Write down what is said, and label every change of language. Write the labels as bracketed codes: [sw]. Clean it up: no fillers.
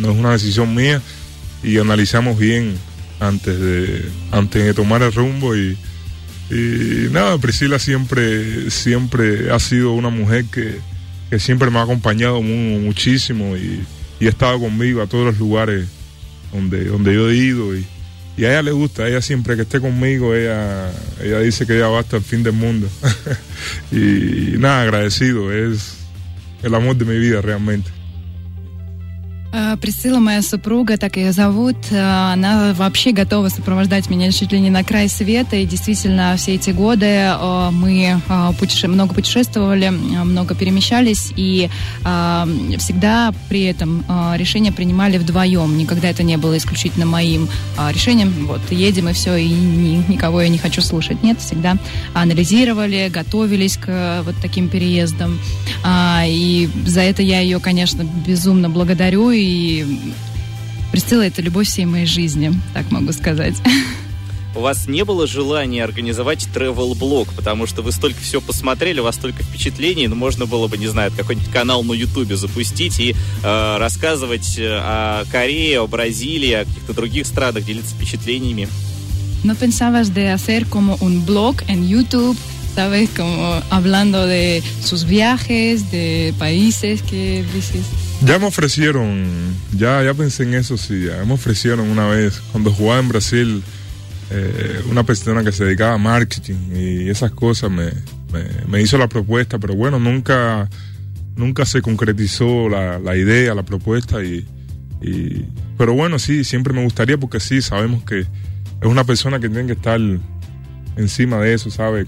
[es] No es una decisión mía y analizamos bien antes de tomar el rumbo y nada, Priscila siempre ha sido una mujer que siempre me ha acompañado muchísimo y ha estado conmigo a todos los lugares donde yo he ido y a ella le gusta, a ella siempre que esté conmigo, ella dice que ella va hasta el fin del mundo. Y nada, agradecido, es el amor de mi vida realmente. [ru] Priscila, моя супруга, так ее зовут, она вообще готова сопровождать меня чуть ли не на край света, и действительно все эти годы мы много путешествовали, много перемещались, и всегда при этом решения принимали вдвоем, никогда это не было исключительно моим решением, вот едем и все, и никого я не хочу слушать, нет, всегда анализировали, готовились к вот таким переездам, и за это я ее, конечно, безумно благодарю. И Пристыла — это любовь всей моей жизни, так могу сказать. У вас не было желания организовать тревел-блог, потому что вы столько всего посмотрели, у вас столько впечатлений, но можно было бы, не знаю, какой-нибудь канал на Ютубе запустить и рассказывать о Корее, о Бразилии, о каких-то других странах, делиться впечатлениями. [es] No pensabas de hacer como un blog en YouTube, sabes, como hablando de sus viajes, de países que dices. Ya me ofrecieron, ya pensé en eso, sí, ya me ofrecieron una vez, cuando jugaba en Brasil, una persona que se dedicaba a marketing y esas cosas me hizo la propuesta, pero bueno, nunca se concretizó la idea, la propuesta, y pero bueno, sí, siempre me gustaría porque sí, sabemos que es una persona que tiene que estar encima de eso, ¿sabe?